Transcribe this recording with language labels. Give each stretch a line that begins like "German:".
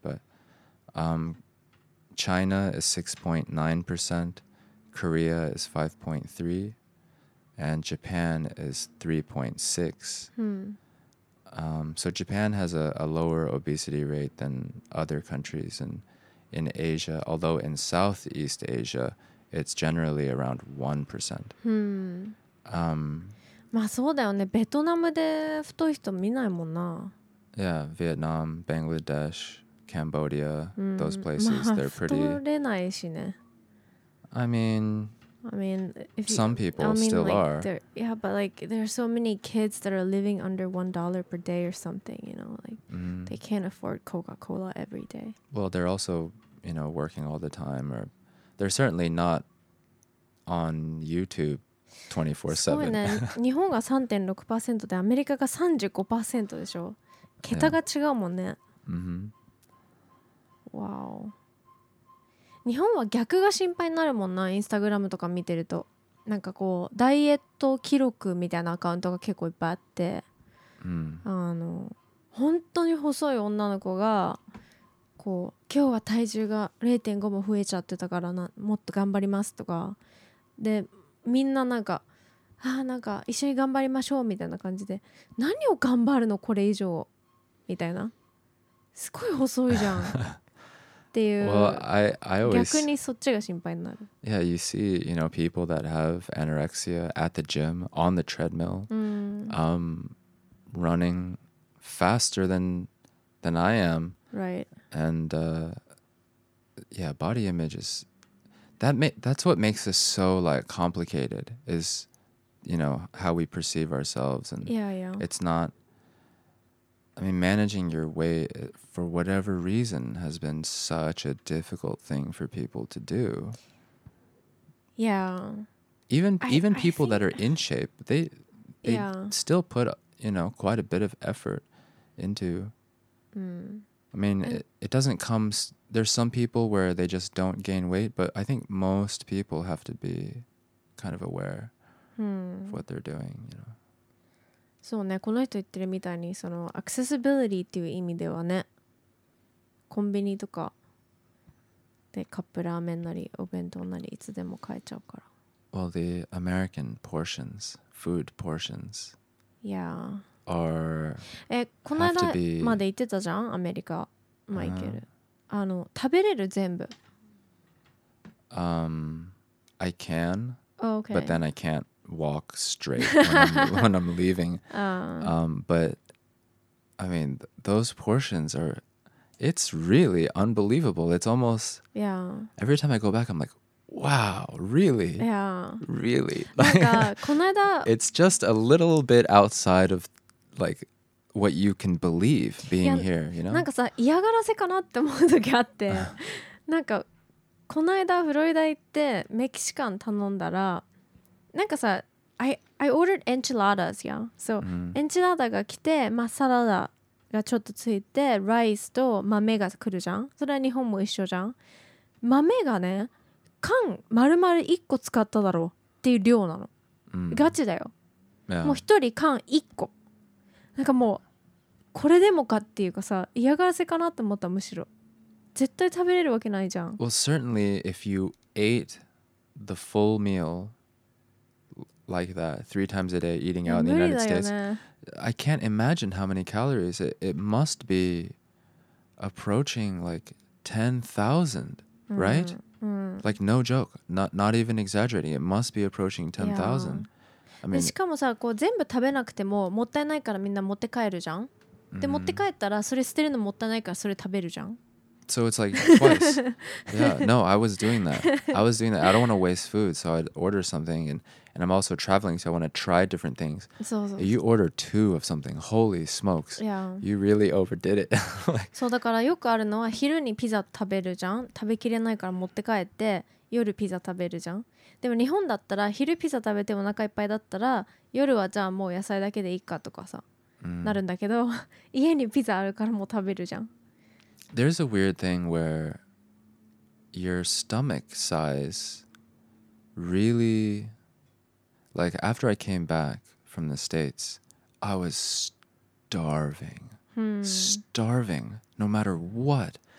English: But China is 6.9%, Korea is 5.3%, and Japan is 3.6%. So Japan has a lower obesity rate than other countries in Asia, although in Southeast Asia, it's generally around 1%.
Japanese: まあそうだよね。ベトナムで太い人見ないもんな。
English: Yeah, Vietnam, Bangladesh, Cambodia, those places, they're pretty...
Japanese: 太れないしね。
English: I mean, if some people still are. Yeah, but like there are so many kids that are living under $1 per day or something, you know, like they can't afford Coca-Cola every day. Well, they're also, you know, working all the time or they're certainly not on YouTube 24/7.
Japanese: そうね。日本が 3.6% でアメリカが 35% でしょ。桁が違うもんね。
English: Wow.
Japanese: 日本は逆が心配になるもんな、インスタグラムとか見てるとなんかこうダイエット記録みたいなアカウントが結構いっぱいあって、本当に細い女の子がこう今日は体重が 0.5 も増えちゃってたからなもっと頑張りますとかでみんななんかあなんか一緒に頑張りましょうみたいな感じで何を頑張るのこれ以上みたいなすごい細いじゃん
English: Well, I always...
Japanese: 逆にそっちが心配になる。
English: Yeah, you see, you know, people that have anorexia at the gym, on the treadmill, running faster than I am. Right. And, yeah, body image is... That's what makes us so, like, complicated, is, you know, how we perceive ourselves. And it's not... I mean, managing your weight for whatever reason has been such a difficult thing for people to do. Yeah. Even people that are in shape, they still put, you know, quite a bit of effort into. I mean, it doesn't come... There's some people where they just don't gain weight, but I think most people have to be kind of aware of what they're doing, you know.
Japanese: そうね、この人言ってるみたいにそのアクセシビリティっていう意味ではねコンビニとかでカップラーメンなりお弁当なりいつでも買えちゃうから
English: Well, the American portions, food portions Yeah are
Japanese: この間まで言ってたじゃんアメリカマイケル食べれる全部
English: I can. Oh, okay. But then I can't walk straight when I'm leaving. But I mean, those portions are, it's really unbelievable. It's almost, yeah. Every time I go back, I'm like, wow, really? Yeah. Really? Like, it's just a little bit outside of like what you can believe being here, you know?
Japanese: なんかさ、嫌がらせかなって思う時あって。なんか、この間フロリダ行ってメキシカン頼んだら、なんかさ、
English: I ordered enchiladas, yeah?
Japanese: So, enchilada が来て、まあサラダがちょっとついて、ライスと豆が来るじゃん。それは日本も一緒じゃん。豆がね、缶丸々1個使っただろうっていう量なの、 mm. ガチだよ、
English: yeah.
Japanese: もう1人缶1個なんかもうこれでもかっていうかさ嫌がらせかなって思ったむしろ絶対食べれるわけないじゃん
English: Well certainly if you ate the full meal like that three times a day eating out in the United States、
Japanese: ね、
English: I can't imagine how many calories it must be approaching like 10,000 right?、 Mm. Like no joke, not even exaggerating. It must be approaching 10,000. Yeah. I mean,
Japanese: しかもさ、こう全部食べなくてももったいないからみんな持って帰るじゃん。で持って帰ったらそれ捨てるのもったいないからそれ食べるじゃん。
English: So it's like twice. Yeah. No, I was doing that. I was doing that. I don't want to waste food, so I'd order something, and I'm also traveling, so I want to try different things.
Japanese: そうそうそう
English: You order two of something. Holy smokes. Yeah. You really overdid it.
Japanese: そうだからよくあるのは昼にピザ食べるじゃん。食べきれないから持って帰って夜ピザ食べるじゃん。でも日本だったら昼ピザ食べてお腹いっぱいだったら夜はじゃあもう野菜だけでいいかとかさ、なるんだけど家にピザあるからもう食べるじゃん。
English: There's a weird thing where your stomach size really, like after I came back from the States, I was starving, starving, no matter what.